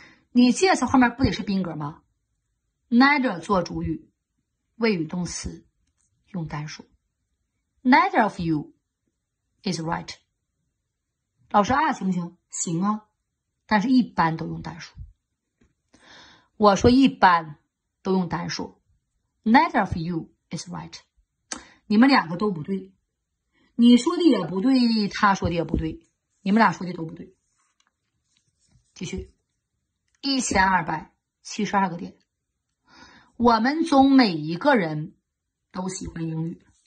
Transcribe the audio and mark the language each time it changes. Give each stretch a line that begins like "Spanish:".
Chinese: 你介词后面不得是宾格吗？neither 做主语，谓语动词用单数。
English: neither of you is right。
Chinese: 老师啊，行不行？行啊，但是一般都用单数。我说一般都用单数，
English: neither of you is right。
Chinese: 你们两个都不对，你说的也不对，他说的也不对，你们俩说的都不对。继续，1272个点。我们中每一个人都喜欢英语。